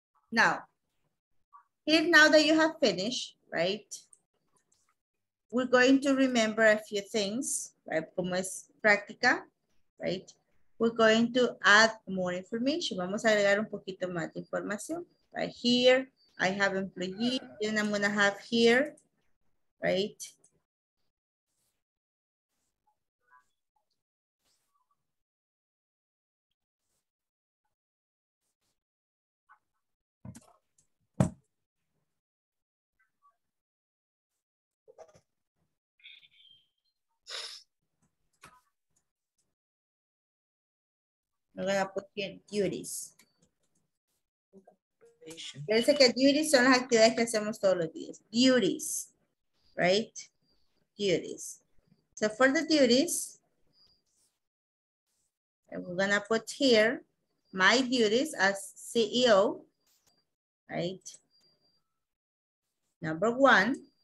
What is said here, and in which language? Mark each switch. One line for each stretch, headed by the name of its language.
English: Now, here now that you have finished, right? We're going to remember a few things, right? Como es práctica, right? We're going to add more information.
Spanish: Vamos a agregar un poquito más de información.
English: Right here, I have employee, then I'm gonna have here, right? I'm gonna put here duties.
Spanish: Fíjense que duties son las actividades que hacemos todos los días.
English: Duties, right? Duties. So for the duties, we're gonna put here, my duties as CEO, right? Number one,